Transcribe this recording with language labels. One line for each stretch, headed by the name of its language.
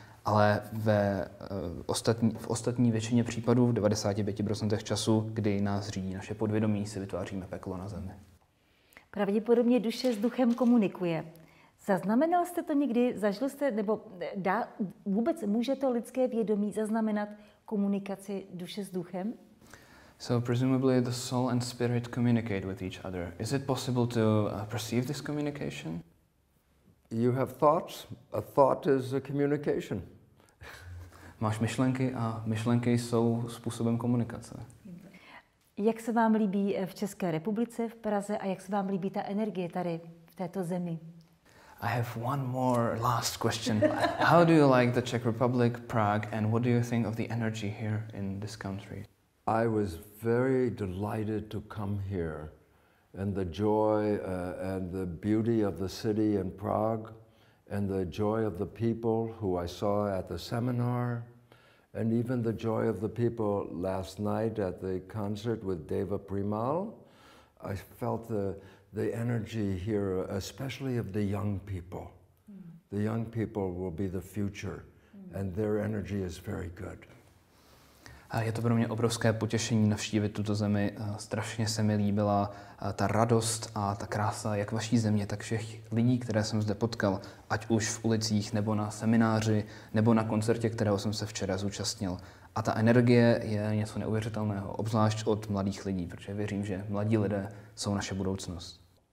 Czech: Ale v ostatní většině případů, v 95% času, kdy nás řídí naše podvědomí, si vytváříme peklo na zemi. Pravděpodobně duše s duchem komunikuje. Zaznamenal jste to někdy? Zažil jste, nebo vůbec může to lidské vědomí zaznamenat komunikaci duše s duchem?
English: So presumably the soul and spirit communicate with each other. Is it possible to perceive this communication? You have thoughts. A thought is a communication.
Czech: Máš myšlenky a myšlenky jsou způsobem komunikace. Jak se vám líbí v České republice, v Praze a jak se vám líbí ta energie tady v této zemi?
English: I have one more last question. How do you like the Czech Republic, Prague, and what do you think of the energy here in this country? I was very delighted to come here, and the joy and the beauty of the city in Prague, and the joy of the people who I saw at the seminar, and even the joy of the people last night at the concert with Deva Primal. I felt the energy here, especially of the young people. The young people will be the future, and their energy is very good.
Czech: Je to pro mě obrovské potěšení navštívit tuto zemi. Strašně se mi líbila ta radost a ta krása jak vaší země, tak všech lidí, které jsem zde potkal, ať už v ulicích, nebo na semináři, nebo na koncertě, kterého jsem se včera zúčastnil. A ta energie je něco neuvěřitelného, obzvlášť od mladých lidí, protože věřím, že mladí lidé jsou naše budoucnost.